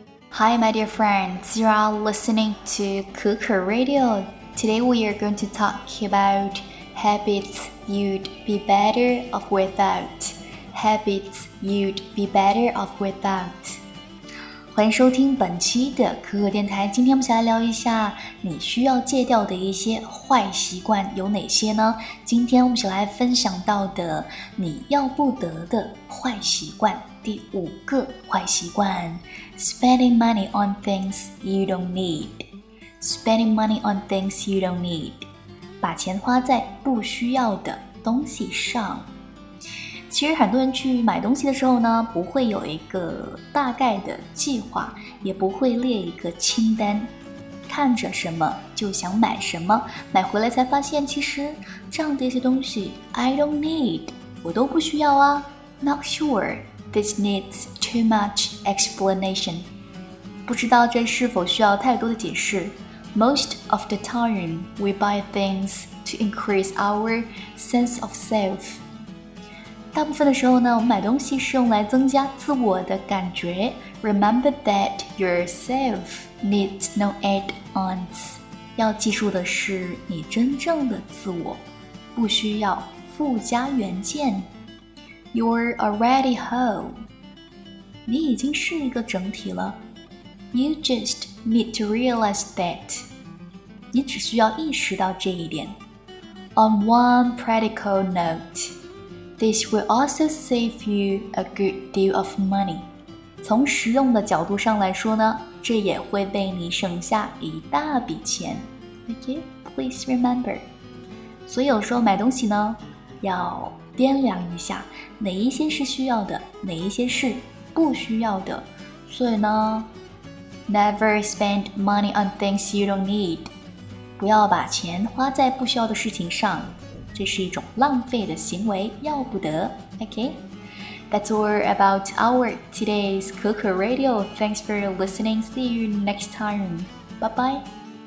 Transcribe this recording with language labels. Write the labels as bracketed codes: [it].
[en] Hi, my dear friends, you are listening to Kuku Radio. Today we are going to talk about habits you'd be better off without. Habits you'd be better off without. [zh] 欢迎收听本期的可可电台。今天我们想来聊一下你需要戒掉的一些坏习惯有哪些呢？今天我们想来分享到的你要不得的坏习惯，第五个坏习惯 ， [en] spending money on things you don't need. Spending money on things you don't need. [zh] 把钱花在不需要的东西上。其实很多人去买东西的时候呢，不会有一个大概的计划，也不会列一个清单，看着什么就想买什么，买回来才发现其实这样的一些东西 [en] I don't need， [zh] 我都不需要啊。 [en] Not sure this needs too much explanation， [zh] 不知道这是否需要太多的解释。 [en] Most of the time we buy things to increase our sense of self， [zh] 大部分的时候呢，我们买东西是用来增加自我的感觉。 [en] Remember that yourself needs no add-ons. [zh] 要记住的是，你真正的自我不需要附加元件。 [en] You're already whole. [zh] 你已经是一个整体了。 [en] You just need to realize that. [zh] 你只需要意识到这一点。 [en] On one practical note,This will also save you a good deal of money. [zh] 从实用的角度上来说呢，这也会为你省下一大笔钱。 [en] Okay, please remember. [zh] 所以有时候买东西呢，要掂量一下哪一些是需要的，哪一些是不需要的。所以呢 [en] ，Never spend money on things you don't need. [zh] 不要把钱花在不需要的事情上。这是一种浪费的行为，要不得。 [en] Okay, that's all about our today's Kuku Radio. Thanks for listening. See you next time. Bye bye.